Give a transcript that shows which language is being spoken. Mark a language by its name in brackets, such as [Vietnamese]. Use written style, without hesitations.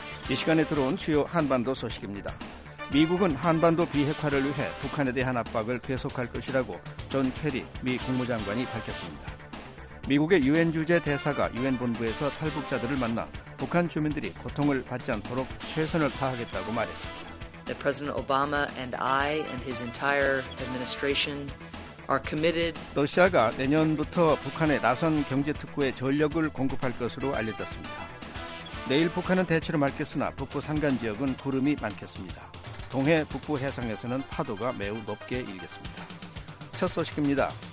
[Korean] 이 시간에 들어온 주요 한반도 소식입니다. 미국은 한반도 비핵화를 위해 북한에 대한 압박을 계속할 것이라고 존 케리 미 국무장관이 밝혔습니다. 미국의 유엔 주재 대사가 유엔 본부에서 탈북자들을 만나 북한 주민들이 고통을 받지 않도록 최선을 다하겠다고 말했습니다. [English] The President Obama and I and his entire administration are committed. [Korean] 러시아가 내년부터 북한에 나선 경제 특구에 전력을 공급할 것으로 알려졌습니다. 내일 북한은 대체로 맑겠으나 북부 산간 지역은 구름이 많겠습니다. 동해 북부 해상에서는 파도가 매우 높게 일겠습니다. 첫 소식입니다.